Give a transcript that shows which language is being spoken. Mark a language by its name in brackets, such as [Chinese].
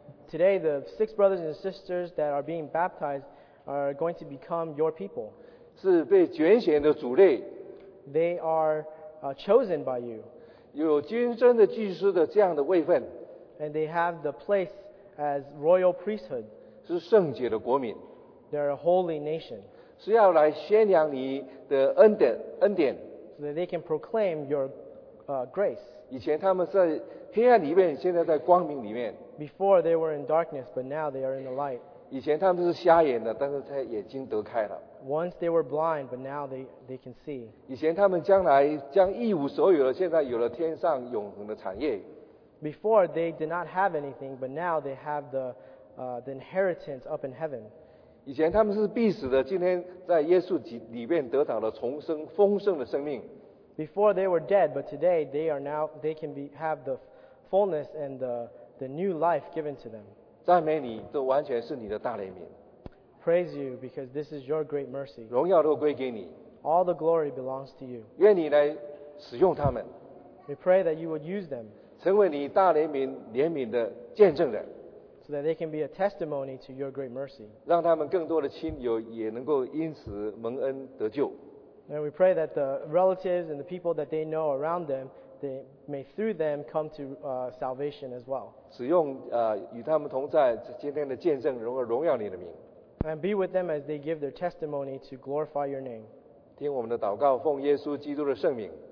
[English] Today the six brothers and sisters that are being baptized are going to become your people. [Chinese] 是被拣选的族类。 [English] They are chosen by you. [Chinese] 有君尊的祭司的这样的位份， [English] and they have the place as royal priesthood， [Chinese] 是圣洁的国民， [English] they are a holy nation， [Chinese] 是要来宣扬你的恩典， [English] so that they can proclaim your grace. [Chinese] 以前他们在黑暗里面，现在在光明里面。 [English] Before they were in darkness, but now they are in the light. [Chinese] 以前他们是瞎眼的，但是他眼睛得开了。 [English] Once they were blind, but now they can see. [Chinese] 以前他们将来将一无所有了，现在有了天上永恒的产业。 [English] Before they did not have anything, but now they have the inheritance up in heaven. [Chinese] 以前他们是必死的，今天在耶稣里面得到了重生、丰盛的生命。 [English] Before they were dead, but today they can have the fullness and the new life given to them. [Chinese] 赞美你，这完全是你的大怜悯。 [English] Praise you because this is your great mercy. [Chinese] 荣耀都归给你。 [English] All the glory belongs to you. [Chinese] 愿你来使用他们。 [English] We pray that you would use them. [Chinese] 成为你大怜悯的见证人。 [English] So that they can be a testimony to your great mercy. [Chinese] 让他们更多的亲友也能够因此蒙恩得救。 [English] And we pray that the relatives and the people that they know around them, they may through them come to salvation as well. [Chinese] 使用与他们同在今天的见证，能够荣耀你的名。 [English] And be with them as they give their testimony to glorify your name. [Chinese] 听我们的祷告，奉耶稣基督的圣名。